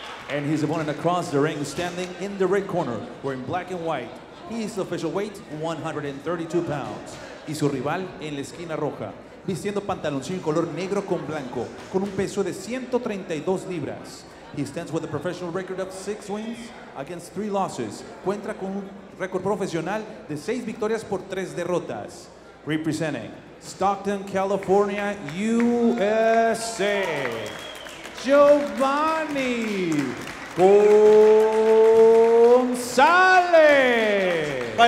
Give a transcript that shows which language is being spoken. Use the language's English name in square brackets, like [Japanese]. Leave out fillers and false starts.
[English] And his opponent across the ring, standing in the red corner, wearing black and white. His official weight, 132 pounds. [Spanish] Y su rival en la esquina roja, vistiendo pantaloncillo color negro con blanco, con un peso de 132 libras. [English] He stands with a professional record of 6 wins against 3 losses. [Spanish] Cuenta con un récord profesional de 6 victorias por 3 derrotas. [English] Representing Stockton, California, USA, Giovannie Gonzalez.